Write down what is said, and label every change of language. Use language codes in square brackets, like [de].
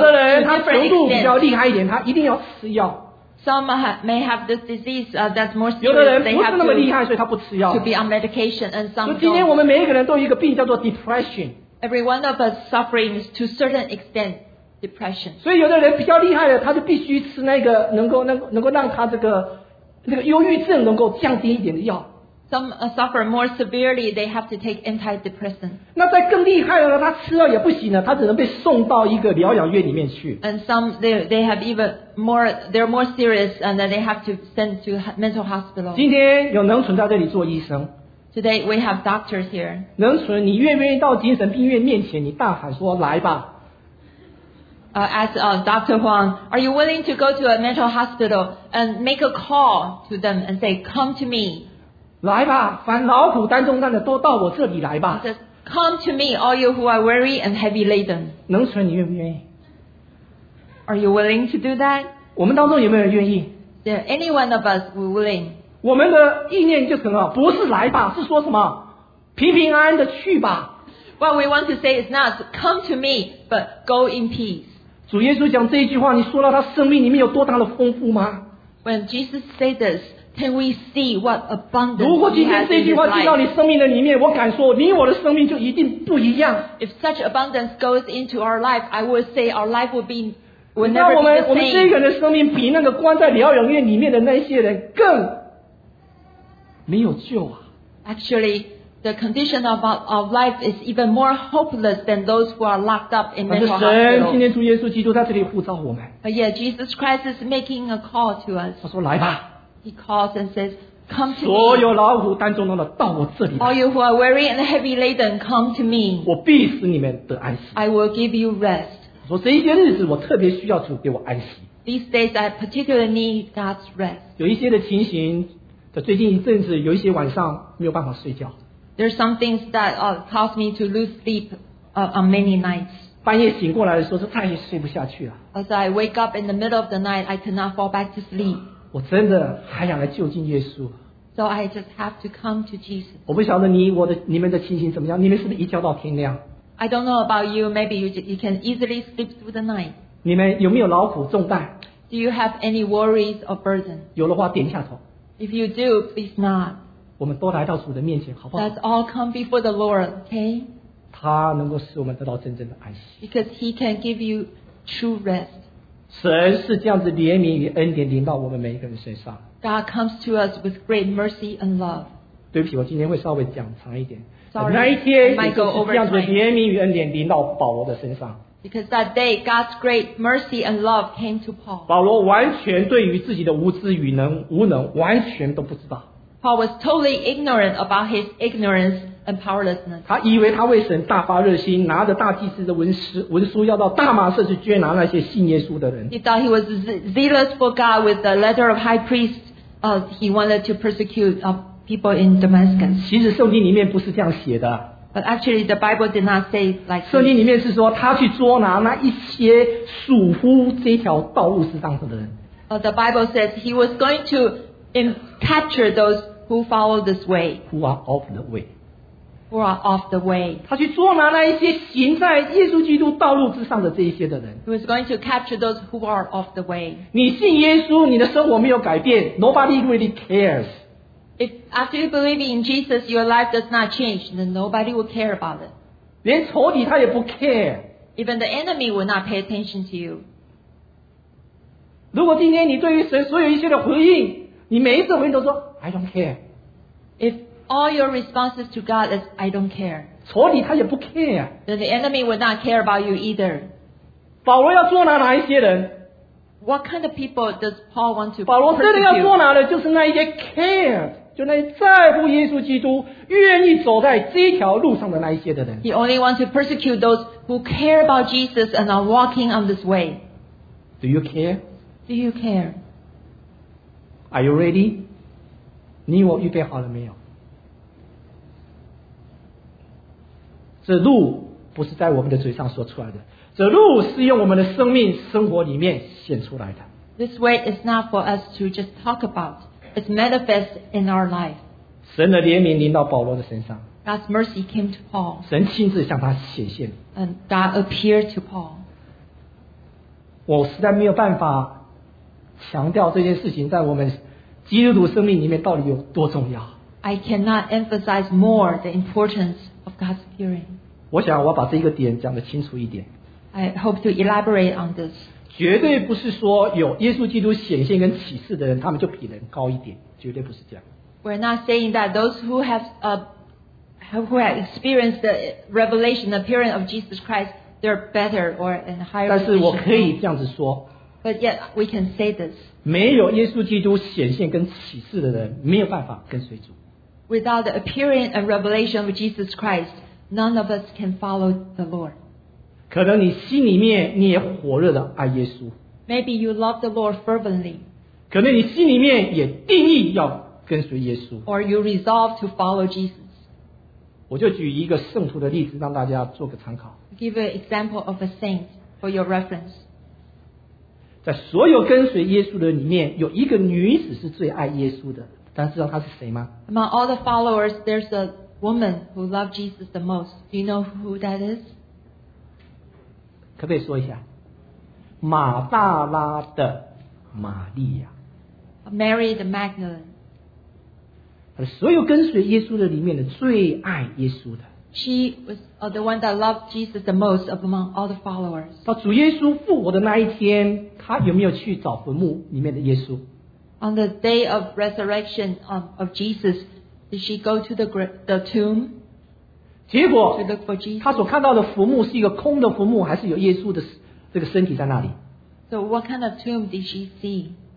[zh] 的人他程度比较厉害一点，他一定要吃药。 [en] Some may have this disease that's more serious. They have to be on medication and some don't. [zh] 今天我们每一个人都有一个病叫做 depression. [en] Every one of us suffering to a certain extent depression. [zh] 所以有的人比较厉害的，他就必须吃那个能够让他这个忧郁症能够降低一点的药。 [en] Some suffer more severely. They have to take antidepressant. [zh] 那再更厉害的，他吃药也不行了，他只能被送到一个疗养院里面去。 [en] And some they have even more. They're more serious, and then they have to send to mental hospital. [zh] 今天有能存在这里做医生。 [en] Today we have doctors here. [zh] 能存，你愿不愿意到精神病院面前，你大喊说来吧？ [en] As Dr. Huang, are you willing to go to a mental hospital and make a call to them and say, come to me? [zh] 来吧，凡劳苦担重担的都到我这里来吧。 [en] He says, come to me, all you who are weary and heavy laden. [zh] 能存，你愿不愿意？ [en] Are you willing to do that? [zh] 我们当中有没有人愿意？ [en] Yeah, any one of us will willing. [zh] 我们的意念就成了，不是来吧，是说什么？平平安安的去吧。 [en] What we want to say is not come to me, but go in peace. [zh] 主耶稣讲这一句话，你说到他生命里面有多大的丰富吗？ [en] When Jesus said this,Can we see what abundance? [zh] 如果今天这句话进到你生命的里面，我敢说，你我的生命就一定不一样。 [en] If such abundance goes into our life, I would say our life would be. [zh] 那我们这个人的生命比那个关在疗养院里面的那些人更没有救啊。 [en] Actually, the condition of our life is even more hopeless than those who are locked up in mental hospital. [zh] 神，今天主耶稣基督在这里呼召我们。 [en] But yeah, Jesus Christ is making a call to us. [zh] 他说：“来吧。” [en] He calls and says, "Come to me." [zh] 所有劳苦担重担的到我这里。 [en] All you who are weary and heavy laden, come to me. [zh] 我必使你们得安息。 [en] I will give you rest. [zh] 说这一些日子我特别需要主给我安息。 [en] These days I particularly need God's rest. [zh] 有一些的情形，最近一阵子有一些晚上没有办法睡觉。 [en] There are some things that cause me to lose sleep on many nights. [zh] 半夜醒过来的时候，是太睡不下去了。 [en] As I wake up in the middle of the night, I cannot fall back to sleep. [zh] 我真的还想来就近耶稣。 [en] So I just have to come to Jesus. [zh] 我不晓得你们的情形怎么样，你们是不是一觉到天亮？ [en] I don't know about you. Maybe you can easily sleep through the night. [zh] 你们有没有劳苦重担 [en] ？Do you have any worries or burden? [zh] 有的话点一下头。 [en] If you do, please not. [zh] 我们都来到主的面前，好不好 [en] ？Let's all come before the Lord, okay? [zh] 他能够使我们得到真正的安息。 [en] Because He can give you true rest. [zh] 神是这样子怜悯与恩典临到我们每一个人身上。 [en] God comes to us with great mercy and love. [zh] 对不起，我今天会稍微讲长一点。 [en] Sorry, [zh] 那一天也就是这样子怜悯与恩典临到保罗的身上。 [en] Because that day, God's great mercy and love came to Paul. [zh] 保罗完全对于自己的无知与能无能完全都不知道。 [en] Paul was totally ignorant about his ignorance and powerlessness. [zh] 他以为他为神大发热心，拿着大祭司的文书要到大马士去捐拿那些信耶稣的人。 [en] He thought he was zealous for God with the letter of high priest. He wanted to persecute people in Damascus. [zh] 其实圣经里面不是这样写的。 [en] But actually, the Bible did not say like. [zh] 圣经里面是说他去捉拿那一些属乎这条道路之上的人。 [en] The Bible says he was going to capture those who follow this way. Who are off the way? Who are off the way? [zh] 他去捉拿那一些行在耶稣基督道路之上的这一些的人。 [en] He was going to capture those who are off the way. [zh] 你信耶稣，你的生活没有改变。 [en] Nobody really cares. If after you believe in Jesus, your life does not change, then nobody will care about it. [zh] 连仇敌他也不 care. [en] Even the enemy will not pay attention to you. [zh] 如果今天你对于神所有一切的回应，你每一次回应都说 [en] I don't care. If all your responses to God is I don't care, [zh] 仇敌他也不 care. [en] Then the enemy will not care about you either. [zh] 保罗要捉拿哪一些人？ [en] What kind of people does Paul want to [zh] persecute? 保罗真的要捉拿的就是那些 care, 就那些在乎耶稣基督愿意走在这条路上的那一些的人。 [en] He only wants to persecute those who care about Jesus and are walking on this way. Do you care? Do you care? Are you ready? [zh] 你我预备好了没有？这路不是在我们的嘴上说出来的。这路是用我们的生命生活里面显出来的。 [en] This way is not for us to just talk about. It's manifest in our life. [zh] 神的怜悯临到保罗的身上。 [en] God's mercy came to Paul. [zh] 神亲自向他显现。 [en] And God appeared to Paul. [zh] 我实在没有办法强调这件事情在我们基督徒生命里面到底有多重要。 [en] I cannot emphasize more the importance of God's appearing. [zh] 我想我把这个点讲得清楚一点。 [en] I hope to elaborate on this. [zh] 绝对不是说有耶稣基督显现跟启示的人，他们就比人高一点，绝对不是这样。 [en] We're not saying that those who have experienced the revelation appearing of Jesus Christ, they're better or in higher. [zh] 但是我可以这样子说。 [en] But yet we can say this. [zh] 没有耶稣基督显现跟启示的人，没有办法跟随主。 [en] Without the appearing and revelation of Jesus Christ, none of us can follow the Lord. [zh] 可能你心里面你也火热的爱耶稣。 [en] Maybe you love the Lord fervently. [zh] 可能你心里面也定义要跟随耶稣。 [en] Or you resolve to follow Jesus. [zh] 我就举一个圣徒的例子让大家做个参考。 [en] Give an example of a saint for your reference. [zh] 在所有跟随耶稣的里面有一个女子是最爱耶稣的。大家知道她是谁吗？ [en] Among all the followers, there's a woman who loved Jesus the most. Do you know who that is? [zh] 可不可以说一下马大拉的玛利亚 [en] Mary the Magdalene [zh] 所有跟随耶稣的里面的最爱耶稣的 [en] She was the one that loved Jesus the most of among all the followers [zh] 到主耶稣复活的那一天他有没有去找坟墓里面的耶稣 [en] On the day of resurrection of Jesus did she go to the tomb? [zh] 结果他所看到的坟墓是一个空的坟墓还是有耶稣的这个身体在那里 [en] So what kind of tomb did she see?